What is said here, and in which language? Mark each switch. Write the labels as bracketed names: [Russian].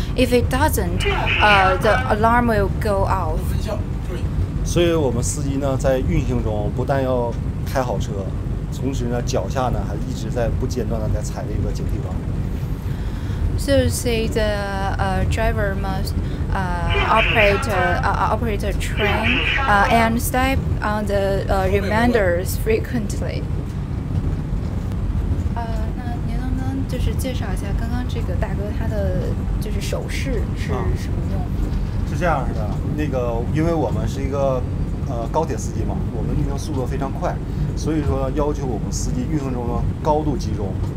[English] If it doesn't, the alarm will go off. [Chinese] 所以我们司机呢，在运行中不但要开好车，同时呢，脚下呢还一直在不间断的在踩这个警惕装置。 [English] So say the driver must operate a train and step on the reminders frequently. [Chinese] 那您能不能就是介绍一下刚刚这个大哥他的就是手势是什么用？是这样的，那个因为我们是一个高铁司机嘛，我们运行速度非常快，所以说要求我们司机运行中呢高度集中。